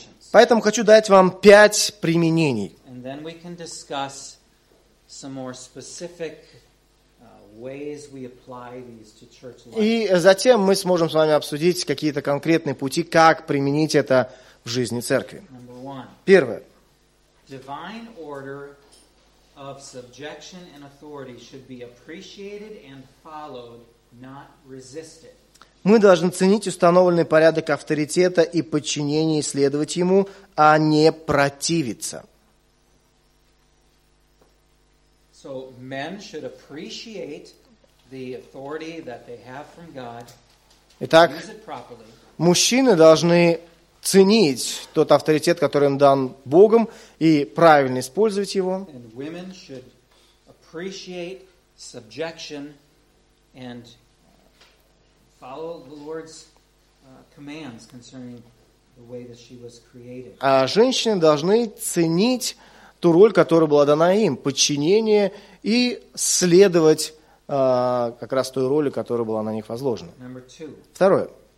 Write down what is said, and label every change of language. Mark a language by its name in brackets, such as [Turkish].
[Russian] Поэтому хочу дать вам 5 применений. И потом мы можем обсудить более специфические [English] ways we apply these to church life. [Russian] И затем мы сможем с вами обсудить какие-то конкретные пути, как применить это в жизни церкви. Первое. [English] Divine order of subjection and authority should be appreciated and followed, not resisted. [Russian] Мы должны ценить установленный порядок авторитета и подчинение, следовать ему, а не противиться. [English] So men should appreciate the authority that they have from God. [Russian] Итак, [English] use it properly. [Russian] Мужчины должны ценить тот авторитет, который им дан Богом, и правильно использовать его. [English] And women should appreciate subjection and follow the Lord's commands concerning the way that she was created. [Russian] А женщины должны ценить ту роль, которая была дана им, подчинение, и следовать как раз той роли, которая была на них возложена. Второе.